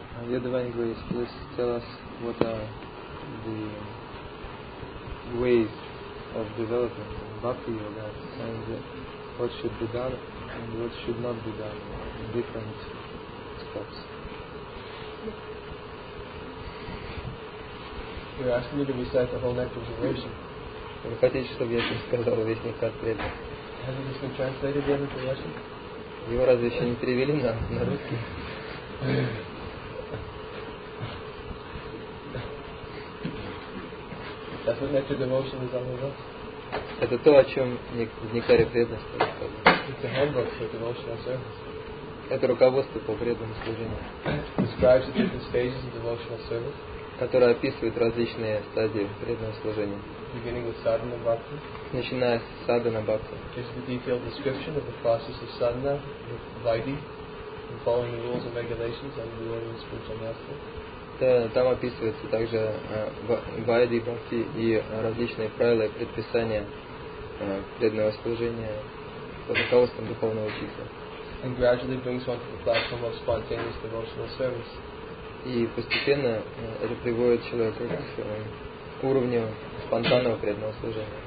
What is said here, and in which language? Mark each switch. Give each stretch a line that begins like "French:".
English: Ways, please tell us what are the ways of developing Bhakti Yoga and what should be done and what should not be done in different steps. You're asking me to recite the whole Nectar Generation.
Russian: Вы хотите, чтобы я сказал весь Нектар Преда?
English: Hasn't this been translated yet into Russian?
Russian: Его разве еще не перевели на русский?
English: That's what nectar devotion is all about.
Russian: Это то, о чем в Нектаре преданности рассказано.
English: It's a handbook for devotional service.
Russian: Это руководство по преданному служению.
English: Describes the different stages of devotional service.
Russian: Которое описывает различные стадии преданного служения.
English: Beginning with sadhana bhakti.
Russian: Начиная с sadhana bhakti.
English: Gives the detailed description of the process of sadhana with vaidhi, and following the rules and regulations under the order of the spiritual master.
Russian: Там описывается также вайди, бхакти и различные правила и предписания преданного служения под руководством духовного учителя. И постепенно это приводит человека к уровню спонтанного преданного служения.